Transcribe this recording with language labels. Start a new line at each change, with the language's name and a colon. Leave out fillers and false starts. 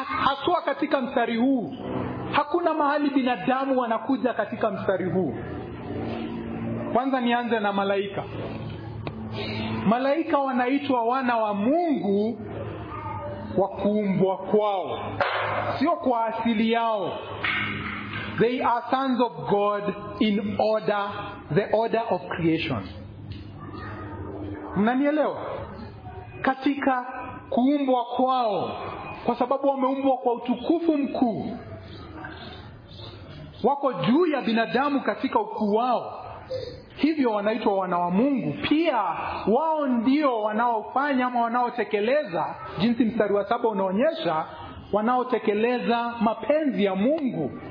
Swahili: Haswa katika mstari huu. Hakuna mahali binadamu wanakuja katika mstari huu. Kwanza nianze na malaika. Malaika wanaitwa wana wa Mungu kwa kuumbwa kwao, sio kwa asili yao.
English: They are sons of God in order, the order of creation.
Swahili: Mnanielewa? Katika kuumbwa kwao, kwa sababu wameumbwa kwa utukufu mkuu, wako juu ya binadamu katika ukuu wao, hivyo wanaitwa wana wa Mungu. Pia wao ndio wanaofanya ama wanaotekeleza, jinsi mstari wa 7 unaonyesha, wanaotekeleza mapenzi ya Mungu.